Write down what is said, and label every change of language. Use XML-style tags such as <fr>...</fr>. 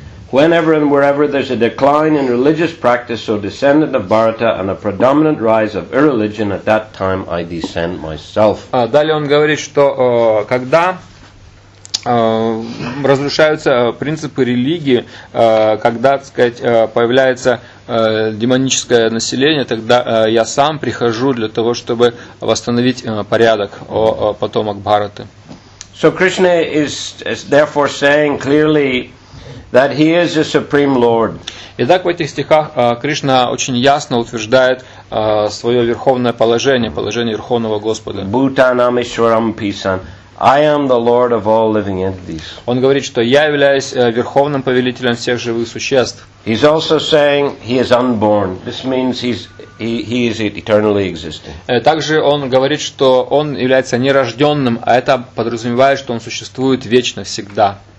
<en>Whenever and wherever there's a decline in religious practice, so descendant of Bharata, and a predominant rise of irreligion, at that time I descend myself.</en> <ru>Далее он говорит, что когда разрушаются принципы религии, когда, так сказать, появляется демоническое население, тогда я сам прихожу для того, чтобы восстановить порядок о потомок Бхараты.</ru> <en>So Krishna is therefore saying clearly that he is the supreme lord.</en> <ru>Итак, в этих стихах Кришна очень ясно утверждает свое верховное положение, положение верховного Господа.</ru> <sa>Bhutanam Ishwaram Pisan.</sa> <en>I am the Lord of all living entities.</en> <ru>Он говорит, что я являюсь верховным повелителем всех живых существ.</ru> <en>He's also saying he is unborn. This means he is eternally existing.</en> <ru>Также он говорит, что он является нерожденным, а это подразумевает, что он существует вечно всегда.</ru>